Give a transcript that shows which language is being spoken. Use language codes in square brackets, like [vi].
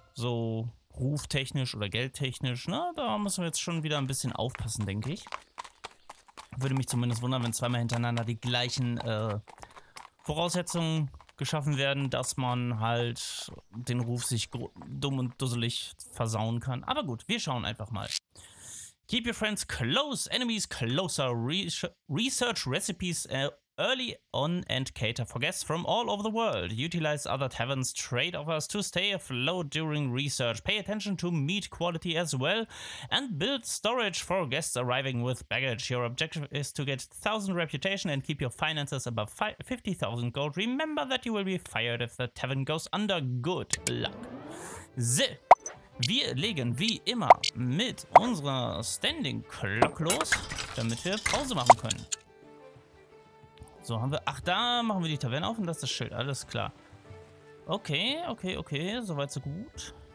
[de] So ruftechnisch oder geldtechnisch, na, da müssen wir jetzt schon wieder ein bisschen aufpassen, denke ich. Würde mich zumindest wundern, wenn zweimal hintereinander die gleichen Voraussetzungen geschaffen werden, dass man halt den Ruf sich dumm und dusselig versauen kann. Aber gut, wir schauen einfach mal. [en] Keep your friends close, enemies closer, research recipes early on and cater for guests from all over the world. Utilize other taverns, trade offers to stay afloat during research. Pay attention to meat quality as well and build storage for guests arriving with baggage. Your objective is to get 1000 reputation and keep your finances above 50,000 gold. Remember that you will be fired if the tavern goes under. Good luck. [de] So, wir legen wie immer mit unserer Standing Clock los, damit wir Pause machen können. So, haben wir... Ach, da machen wir die Taverne auf und das ist das Schild. Alles klar. Okay, okay, okay. Soweit, so gut.